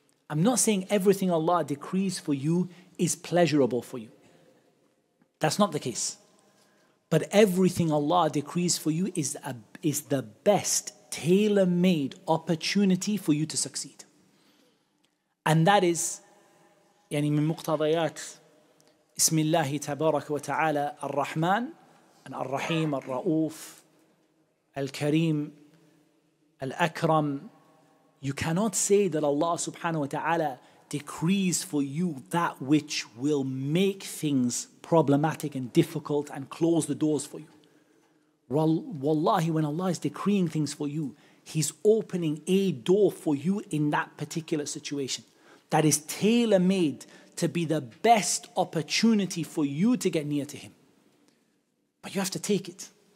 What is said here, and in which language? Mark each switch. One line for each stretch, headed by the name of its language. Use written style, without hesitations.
English: I'm not saying everything Allah decrees for you is pleasurable for you. That's not the case. But everything Allah decrees for you is the best tailor-made opportunity for you to succeed. And that is,
Arabic: يعني من مقتضيات اسم الله تبارك وتعالى الرحمن الرحيم الرؤوف الكريم الأكرم.
English: You cannot say that Allah subhanahu wa ta'ala decrees for you that which will make things problematic and difficult and close the doors for you. Wallahi, when Allah is decreeing things for you, He's opening a door for you in that particular situation that is tailor-made to be the best opportunity for you to get near to Him. But you have to take it.